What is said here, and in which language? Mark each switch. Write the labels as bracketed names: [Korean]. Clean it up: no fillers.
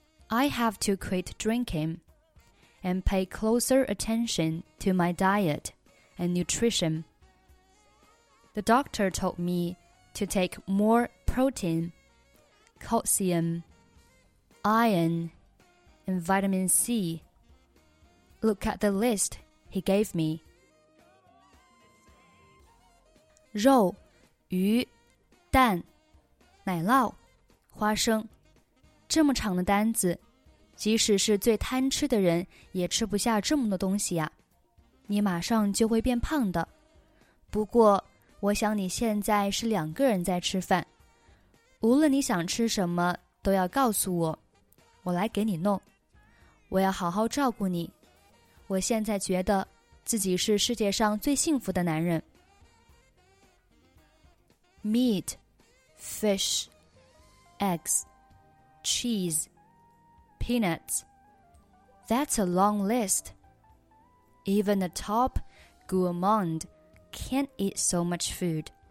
[English] I have to quit drinking and pay closer attention to my diet. And nutrition. The doctor told me to take more protein, calcium, iron, and vitamin C. Look at the list he gave me. [Chinese] 肉、鱼、蛋、奶酪、花生，这么长的单子，即使是最贪吃的人也吃不下这么多东西啊。你马上就会变胖的。不过，我想你现在是两个人在吃饭。无论你想吃什么，都要告诉我，我来给你弄。我要好好照顾你。我现在觉得自己是世界上最幸福的男人。 [English] Meat, fish, eggs, cheese, peanuts. That's a long list. Even a top gourmand can't eat so much food.